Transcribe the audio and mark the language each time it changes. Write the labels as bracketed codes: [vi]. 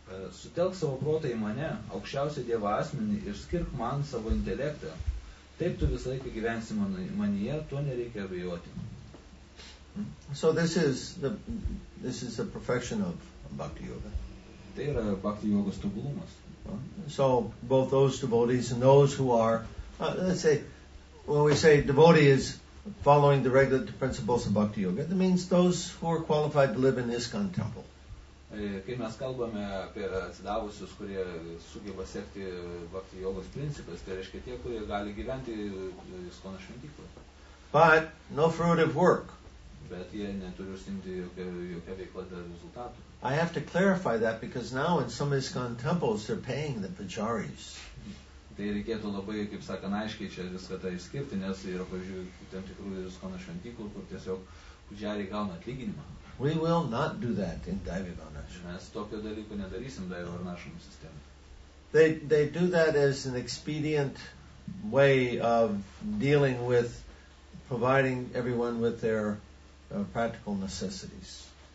[lt] Sutelk savo protą į mane, aukščiausią dievą asmenį, ir skirk man savo intelektą. Taip tu visą laiką gyvensi manyje, to nereikia abejoti. [en] So this is the perfection of Bhakti Yoga. [lt] Tai yra Bhakti Yogos tobulumas. [en] So both those devotees and those who are, let's say, when we say devotee is following the regulative principles of Bhakti Yoga, that means those who are qualified to live in ISKCON temple. [lt] Kai mes kalbame apie atsidavusius, kurie sugeba sekti Bhakti Yogos principus, tai reiškia tie, kurie gali gyventi ISKCON šventykloje. [en] But no fruitive work. [lt] Bet jie neturi užsiimti jokia veikla dėl rezultatų. [en] I have to clarify that because now in some ISKCON temples they're paying the pujaris. [lt] Tai reikėtų labai, kaip sakant, aiškiai čia viską tai išskirti, nes yra, pavyzdžiui, tam tikrų ISKCON šventyklų, kur tiesiog pujariai gauna atlyginimą. [en] We will not do that in Daivi Varnašama. [lt] Mes tokio dalyko nedarysim Daivi Varnašama sistemą. [en] They do that as an expedient way of dealing with providing everyone with their practical necessities.